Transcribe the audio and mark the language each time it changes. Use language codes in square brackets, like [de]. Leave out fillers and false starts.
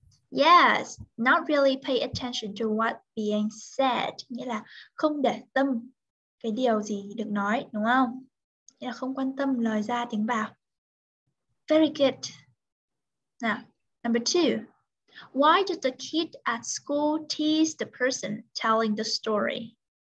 [en] Yes, not really pay attention to what being said. [vi] Nghĩa là không để tâm cái điều gì được nói, đúng không? Nghĩa là không quan tâm lời ra tiếng vào. [en] Very good. Now, number two. Why did the kid at school tease the person telling the story?